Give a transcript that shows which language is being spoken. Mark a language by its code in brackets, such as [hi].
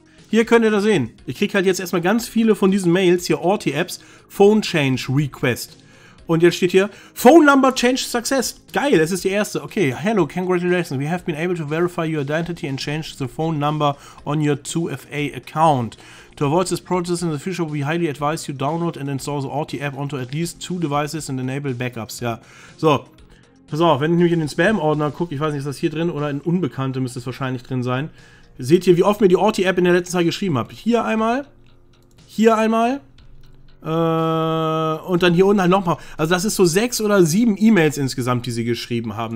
[de] Hier könnt ihr das sehen. Ich krieg halt jetzt erstmal ganz viele von diesen Mails hier, Orti-Apps, Phone Change Request. Und jetzt steht hier, [en] Phone Number Change Success. [de] Geil, es ist die erste. [en] Okay, hello, congratulations. We have been able to verify your identity and change the phone number on your 2FA account. To avoid this process in the future, we highly advise you download and install the Orti-App onto at least two devices and enable backups. [de] Ja, so. Pass auf, wenn ich nämlich in den Spam-Ordner gucke, ich weiß nicht, ist das hier drin oder in Unbekannte müsste es wahrscheinlich drin sein. Seht ihr, wie oft mir die Orti-App in der letzten Zeit geschrieben habe. Hier einmal, und dann hier unten halt nochmal. Also das ist so 6 oder 7 E-Mails insgesamt, die sie geschrieben haben.